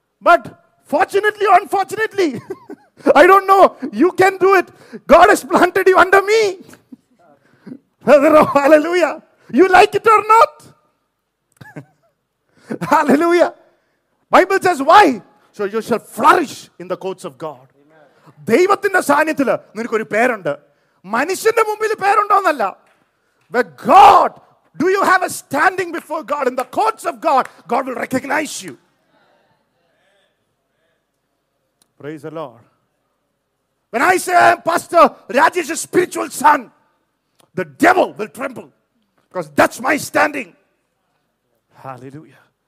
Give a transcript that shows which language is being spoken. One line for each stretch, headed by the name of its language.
English: But fortunately or unfortunately, I don't know. You can do it. God has planted you under me. Hallelujah. You like it or not? Hallelujah. Bible says why? So you shall flourish in the courts of God.
Malayalam: ദൈവത്തിന്റെ സാന്നിധ്യത്തിൽ നിനക്ക് ഒരു പേരുണ്ട്. മനുഷ്യന്റെ മുമ്പിൽ പേരുണ്ടോ എന്നല്ല.
English: But God, do you have a standing before God in the courts of God? God will recognize you. Praise the Lord. When I say I am Pastor Rajesh's spiritual son, the devil will tremble because that's my standing. Hallelujah.